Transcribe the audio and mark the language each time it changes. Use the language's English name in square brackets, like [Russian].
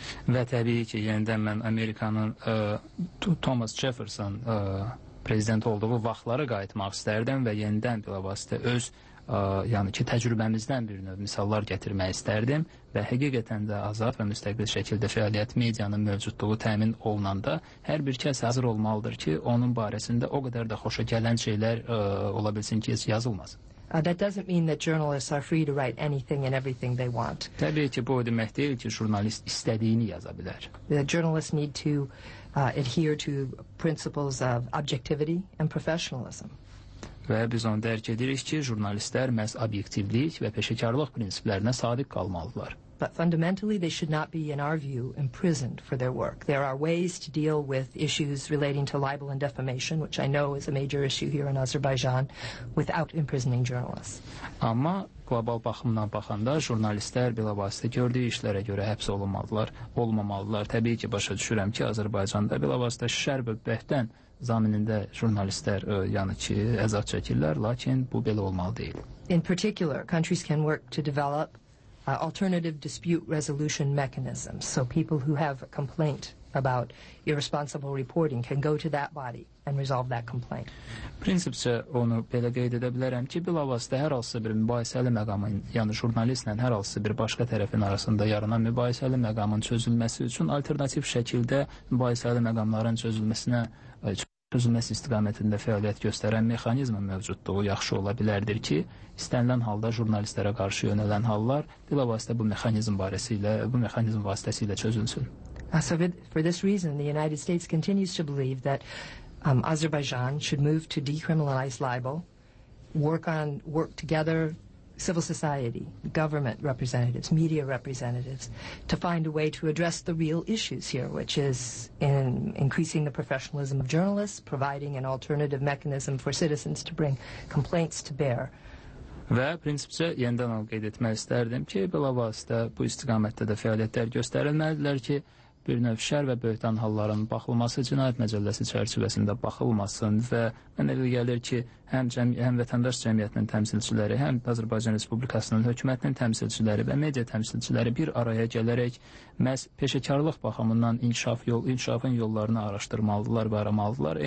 [Azerbaijani] Və təbii ki, yenidən mən Amerikanın Thomas Jefferson prezident olduğu vaxtlara qayıtmaq istərdim və yenidən bilavasitə öz yəni ki, təcrübəmizdən bir növ misallar gətirmək istərdim və həqiqətən də azad və müstəqil şəkildə fəaliyyət medianın mövcudluğu təmin olunanda hər bir kəs hazır olmalıdır ki, onun barəsində o qədər də xoşa gələn şeylər ola bilsin ki, yazılmasın. [English] That doesn't mean that journalists are free to write anything and everything they want. [Azerbaijani] Təbii ki, bu demək deyil ki, jurnalist istədiyini yaza bilər. [English] The journalists need to adhere to principles of objectivity and professionalism. [Azerbaijani] Və biz onu dərk edirik ki, jurnalistlər məhz obyektivlik və peşəkarlıq prinsiplərinə sadiq qalmalıdırlar. [English] But fundamentally, they should not be, in our view, imprisoned for their work. There are ways to deal with issues relating to libel and defamation, which I know is a major issue here in Azerbaijan, without imprisoning journalists. [Azerbaijani] Amma qlobal baxımdan baxanda, jurnalistlər bilavasitə gördüyü işlərə görə həbs olunmalıdırlar, olmamalıdırlar. Təbii ki, başa düşürəm ki, Azərbaycanda bilavasitə şər böhbətdən zaminində jurnalistlər, yəni ki, əzab çəkirlər, lakin bu belə olmalı deyil. [English] In particular, countries can work to develop alternative dispute resolution mechanisms, so people who have a complaint about irresponsible reporting can go to that body and resolve that complaint. [Azerbaijani] Prinsipcə onu belə qeyd edə bilərəm ki, bilavasitə hər hansı bir mübahisəli məqamın, yəni jurnalistlə hər hansı bir başqa tərəfin arasında yaranan mübahisəli məqamın çözülməsi üçün alternativ şəkildə mübahisəli məqamların çözülməsi istiqamətində fəaliyyət göstərən mexanizmin mövcudluğu yaxşı ola bilərdir ki, istənilən halda jurnalistlərə qarşı yönələn hallar bilavasitə bu mexanizm vasitəsilə çözülsün. [English] So for this reason, the United States continues to believe that Azerbaijan should move to decriminalize libel, work together civil society, government representatives, media representatives, to find a way to address the real issues here, which is in increasing the professionalism of journalists, providing an alternative mechanism for citizens to bring complaints to bear. [Azerbaijani] Və prinsipcə yenidən qeyd etmək istərdim ki, bilavasitə bu istiqamətdə də fəaliyyətlər göstərilməlidirlər ki, bir növ şər və böhtan halların baxılması cinayət məcəlləsi çərçivəsində baxılmasın və mənə elə gəlir ki, həm vətəndaş cəmiyyətinin təmsilçiləri, həm Azərbaycan Respublikasının hökumətinin təmsilçiləri və media təmsilçiləri bir araya gələrək məhz peşəkarlıq baxımından inkişafın yollarını araşdırmalıdırlar və aramalıdırlar.